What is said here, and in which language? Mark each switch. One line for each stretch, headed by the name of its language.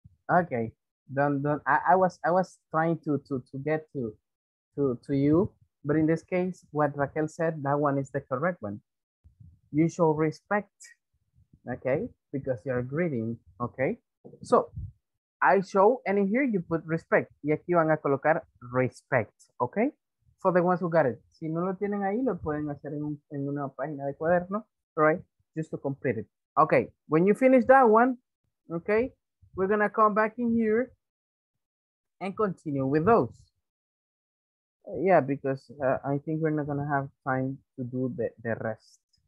English: Ok. I was trying to get to you. But in this case, what Raquel said, that one is the correct one. You show respect, okay? Because you're greeting, okay? So, I show, and in here you put respect.
Spanish: Y aquí van a colocar respect, okay?
English: For the ones who got it.
Spanish: Si no lo tienen ahí, lo pueden hacer en una página de cuaderno, right?
English: Just to complete it. Okay, when you finish that one, okay? We're gonna come back in here and continue with those. Yeah, because I think we're not going to have time to do the rest.